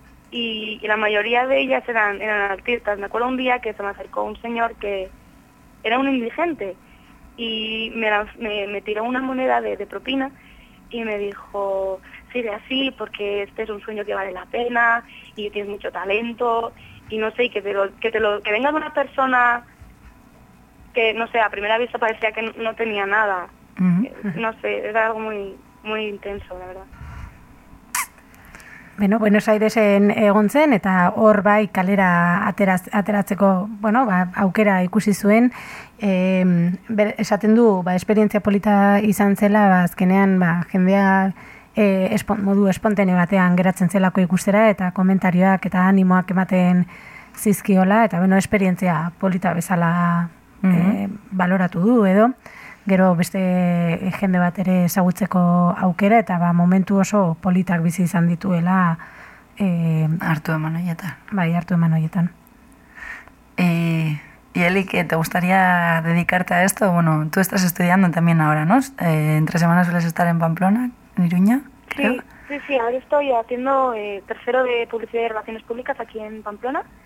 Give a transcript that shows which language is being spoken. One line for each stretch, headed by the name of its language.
Spanish: Y la mayoría de ellas eran artistas. Me acuerdo un día que se me acercó un señor que era un indigente y me tiró una moneda de propina y me dijo, sigue así porque este es un sueño que vale la pena y tienes mucho talento y no sé, y que venga de una persona que, no sé, a primera vista parecía que no tenía nada. No sé, era algo muy, muy intenso, la verdad.
Basque: Bueno, Buenos Airesen egon zen eta hor bai kalera ateratzeko, bueno, ba, aukera ikusi zuen. Esaten du, ba, esperientzia polita izan zela, ba, azkenean, ba, jendea modu espontaneo batean geratzen zelako ikustera eta komentarioak eta animoak ematen zizkiola eta bueno, esperientzia polita bezala baloratu du edo gero beste jende bat ere ezagutzeko aukera eta ba momentu oso politak bizi izan dituela hartu eman hoietan. Bai, hartu eman hoietan.
Spanish: Y Eli, ¿que te gustaría dedicarte a esto? Bueno, tú estás estudiando también ahora, ¿no? Entre semanas sueles estar en Pamplona, en Iruña, creo. Sí, ahora estoy haciendo tercero de publicidad y relaciones públicas aquí en Pamplona.